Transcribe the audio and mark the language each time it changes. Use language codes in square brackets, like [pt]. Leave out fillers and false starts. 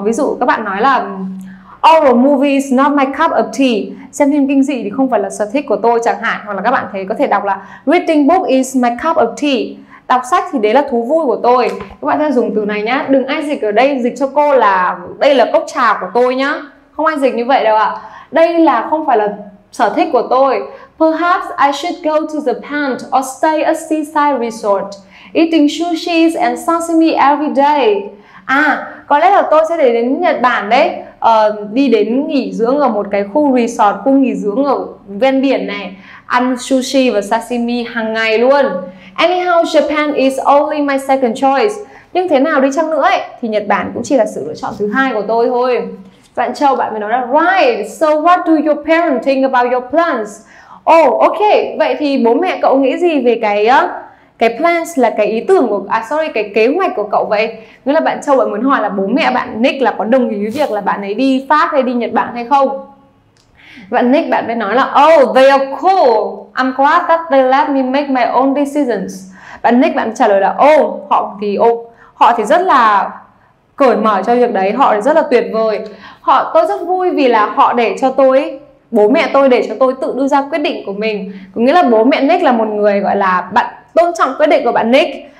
[vi] Ví dụ các bạn nói là [en] all the movies not my cup of tea, [vi] xem phim kinh dị thì không phải là sở thích của tôi chẳng hạn. Hoặc là các bạn thấy có thể đọc là [en] reading book is my cup of tea, [vi] đọc sách thì đấy là thú vui của tôi. Các bạn sẽ dùng từ này nhá, đừng ai dịch ở đây dịch cho cô là đây là cốc trà của tôi nhá, không ai dịch như vậy đâu ạ. Đây là không phải là sở thích của tôi. [en] Perhaps I should go to the pond or stay at seaside resort eating sushi and sashimi every day. [vi] À, có lẽ là tôi sẽ để đến Nhật Bản đấy, đi đến nghỉ dưỡng ở một cái khu resort, khu nghỉ dưỡng ở ven biển này, ăn sushi và sashimi hàng ngày luôn. [en] Anyhow, Japan is only my second choice. [vi] Nhưng thế nào đi chăng nữa ấy, thì Nhật Bản cũng chỉ là sự lựa chọn thứ hai của tôi thôi. Bạn Châu, bạn mới nói là [en] right, so what do your parents think about your plans? [vi] Oh, ok, vậy thì bố mẹ cậu nghĩ gì về cái plans là cái ý tưởng của, cái kế hoạch của cậu vậy? Nghĩa là bạn Châu, bạn muốn hỏi là bố mẹ bạn Nick là có đồng ý với việc là bạn ấy đi Pháp hay đi Nhật Bản hay không? Bạn Nick, bạn mới nói là [en] oh, they are cool, I'm glad that they let me make my own decisions. [vi] Bạn Nick, bạn trả lời là oh, họ thì rất là cởi mở cho việc đấy, họ rất là tuyệt vời. Tôi rất vui vì là họ để cho tôi, bố mẹ tôi để cho tôi tự đưa ra quyết định của mình. Có nghĩa là bố mẹ Nick là một người gọi là bạn tôn trọng quyết định của bạn Nick.